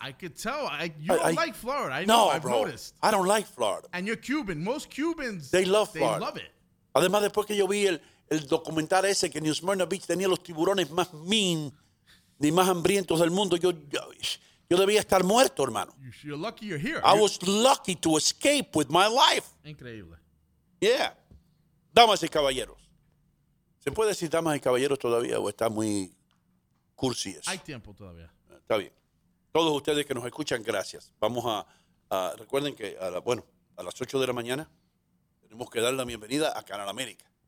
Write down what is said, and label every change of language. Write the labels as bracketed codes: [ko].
[en] I could tell. You don't like Florida. I've noticed. I don't like Florida. And you're Cuban. Most Cubans, they love Florida. They love it. [es] Además, después que yo vi el documental ese, que New Smyrna Beach tenía los tiburones más mean ni más hambrientos del mundo, yo debía estar muerto, hermano. [en] You're lucky you're here. I was lucky to escape with my life. [es] Increíble. Yeah. Damas y caballeros. ¿Se puede decir damas y caballeros todavía o está muy cursi eso? Hay tiempo todavía. Está bien. Todos ustedes que nos escuchan, gracias. Vamos a recuerden que a las 8 de la mañana tenemos que dar la bienvenida a Canal América.